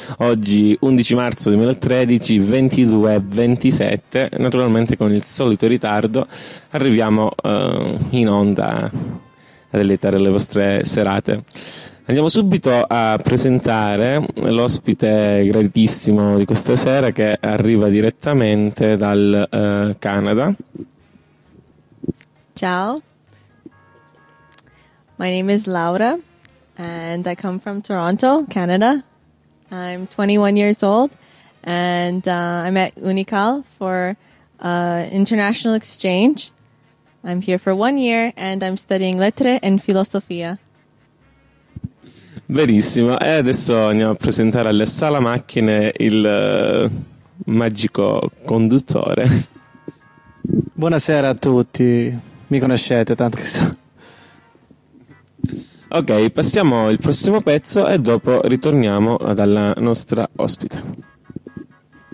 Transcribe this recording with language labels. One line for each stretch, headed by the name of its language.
Italian: Oggi 11 marzo 2013, 22:27, naturalmente con il solito ritardo, arriviamo in onda a deliziare le vostre serate. Andiamo subito a presentare l'ospite graditissimo di questa sera, che arriva direttamente dal Canada. Ciao.
English: My name is Laura, and I come from Toronto, Canada. I'm 21 years old, and I'm at UNICAL for international exchange. I'm here for 1 year, and I'm studying lettere and filosofia.
Italian: Benissimo, e adesso andiamo a presentare alle sala macchine il magico conduttore. Buonasera a tutti, mi conoscete tanto che so. Ok, passiamo il prossimo pezzo e dopo ritorniamo dalla nostra ospite.